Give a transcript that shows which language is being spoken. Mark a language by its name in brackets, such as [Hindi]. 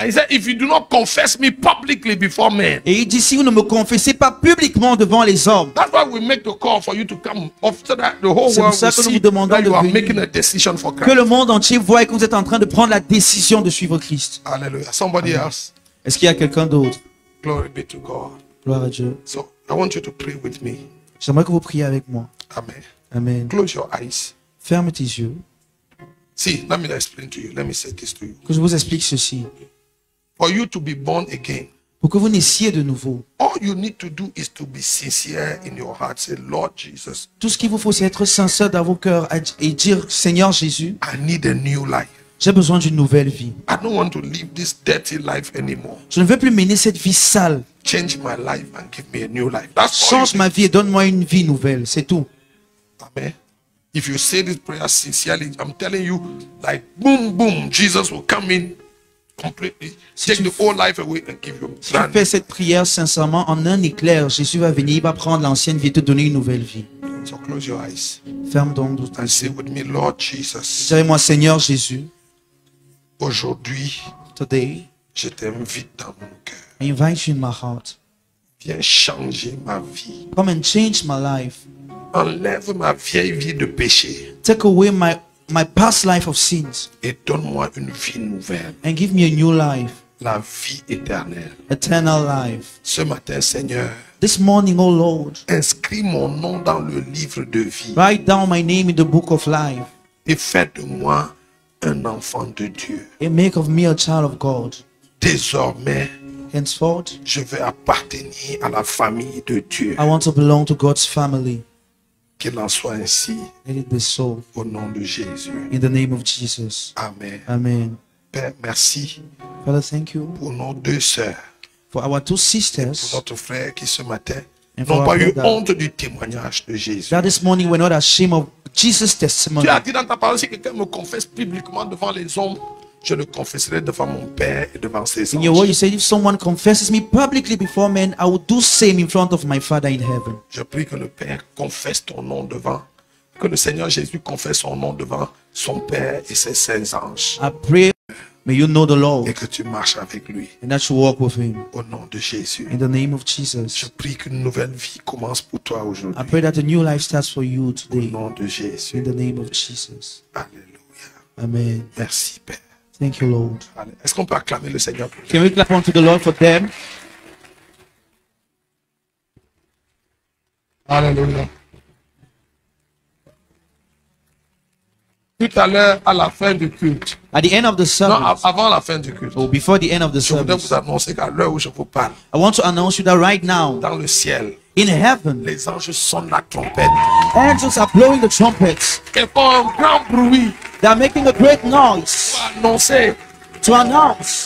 [English] He said, if you do not confess me publicly before men. [French] Et il dit, si vous ne me confessez pas publiquement devant les hommes. [English] That's why we make the call for you to come after that the whole world will see that you are making a decision for Christ. [French] Que le monde entier voit que vous êtes en train de prendre la décision de suivre Christ. [English] Hallelujah. Somebody else. [French] Est-ce qu'il y a quelqu'un d'autre? [English] Glory be to God. [French] Gloire à Dieu. [English] So, I want you to pray with me. [French] J'aimerais que vous priez avec moi. [English] Amen. [French] Amen. [English] Close your eyes. [French] Ferme tes yeux. [English] See, let me explain to you. Let me say this to you. [French] Que je vous explique ceci. [English] For you to be born again. [French] Pour que vous naissiez de nouveau. [English] All you need to do is to be sincere in your heart. Say, Lord Jesus. [French] Tout ce qu'il vous faut, c'est être sincère dans vos cœurs et dire, Seigneur Jésus. [English] I need a new life. [French] J'ai besoin d'une nouvelle vie. [English] I don't want to live this dirty life anymore. [French] Je ne veux plus mener cette vie sale. [English] Change my life and give me a new life. That's [French] change ma vie et donne-moi une vie nouvelle. C'est tout. [English] Amen. If you say this prayer sincerely, I'm telling you, like boom, boom, Jesus will come in completely, [French] si [English] take the whole life away and give you. [French] Si tu fais cette prière sincèrement en un éclair, Jésus va venir, il va prendre l'ancienne vie et te donner une nouvelle vie. [English] So close your eyes. [French] Ferme donc vos [English] yeux. Say with me, Lord Jesus. [French] Dis-moi, Seigneur Jésus. Aujourd'hui. [English] Today. [French] Je t'invite dans mon cœur. [English] Invite you in my heart. [French] Viens changer ma vie. [English] Come and change my life. [French] Enlève ma vieille vie de péché. [English] Take away my past life of sins. [French] Et donne-moi une vie nouvelle. [English] And give me a new life. [French] La vie éternelle. [English] Eternal life. [French] Ce matin, Seigneur. [English] This morning, O Lord. [French] Inscris mon nom dans le livre de vie. [English] Write down my name in the book of life. [French] Et fais de moi un enfant de Dieu. [English] And make of me a child of God. [French] Désormais. [English] Henceforth, [French] je veux appartenir à la famille de Dieu. [English] I want to belong to God's family. [French] Qu'il en soit ainsi. [English] Let it be so. [French] Au nom de Jésus. [English] In the name of Jesus. [French] Amen. [English] Amen. [French] Père, merci. [English] Father, thank you. [French] Pour nos deux sœurs. [English] For our two sisters. [French] Pour notre frère qui ce matin n'ont pas eu honte du témoignage de Jésus. [English] That this morning we're not ashamed of Jesus' testimony. [French] Tu as dit dans ta parole si quelqu'un me confesse publiquement devant les hommes. Je le confesserai devant mon père et devant ses anges. [English] In your word, you said if someone confesses me publicly before men, I will do same in front of my Father in heaven. [French] Je prie que le Père confesse ton nom devant, que le Seigneur Jésus confesse son nom devant son père et ses saints anges. [English] I pray, may you know the Lord. [French] Et que tu marches avec lui. [English] And that you walk with him. [French] Au nom de Jésus. [English] In the name of Jesus. [French] Je prie qu'une nouvelle vie commence pour toi aujourd'hui. [English] I pray that a new life starts for you today. [French] Au nom de Jésus. [English] In the name of Jesus. [French] Alléluia. Amen. Merci Père. [English] Thank you, Lord. [French] Est-ce qu'on peut acclamer le Seigneur? [English] Can we clap unto the Lord for them? [French] Alléluia. Tout à l'heure, à la fin du culte. [English] At the end of the service. [French] Non, avant la fin du culte. [English] Oh, before the end of the [French] je [English] service. [French] Je voudrais vous annoncer qu'à l'heure où je vous parle. [English] I want to announce you that right now. [French] Dans le ciel. [English] In heaven. [French] Les anges sonnent la trompette. [English] Angels are blowing the trumpets. [French] Et font un grand bruit. [English] They are making a great noise to announce